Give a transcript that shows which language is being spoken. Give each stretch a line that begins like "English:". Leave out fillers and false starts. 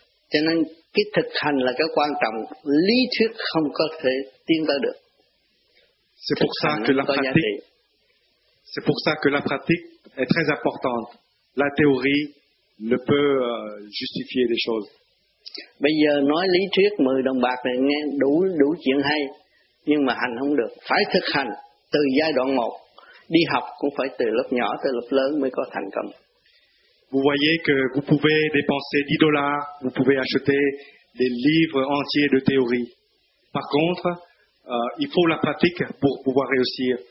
Vietnamese: Cho nên cái thực hành là cái quan trọng, lý thuyết không có thể tiến tới được.
French: C'est pour ça que la pratique. C'est pour ça que la pratique est très importante. La théorie ne peut justifier les choses.
Vietnamese: Bây giờ nói lý thuyết 10 đồng bạc này nghe đủ chuyện hay, nhưng mà hành không được, phải thực hành từ giai đoạn 1, đi học cũng phải từ lớp nhỏ tới lớp lớn mới có thành công.
French: Vous voyez que vous pouvez dépenser 10 dollars, vous pouvez acheter des livres entiers de théorie. Par contre, il faut la pratique pour pouvoir réussir.